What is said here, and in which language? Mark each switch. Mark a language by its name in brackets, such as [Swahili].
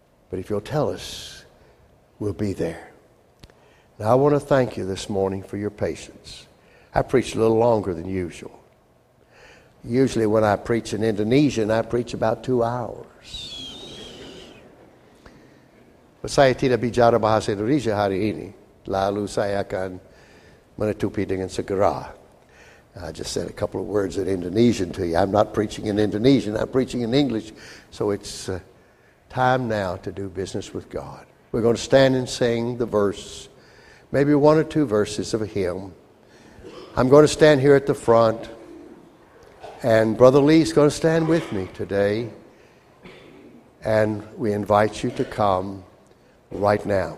[English] But if you'll tell us, we'll be there. Now, I want to thank you this morning for your patience. I preach a little longer than usual. Usually when I preach in Indonesian, I preach about 2 hours. [Indonesian] But saya tidak bicara bahasa Indonesia hari ini. Lalu saya akan menutupi dengan segera. [English] I just said a couple of words in Indonesian to you. I'm not preaching in Indonesian. I'm preaching in English. So it's time now to do business with God. We're going to stand and sing the verse, maybe one or two verses of a hymn. I'm going to stand here at the front, and Brother Lee's going to stand with me today, and we invite you to come right now.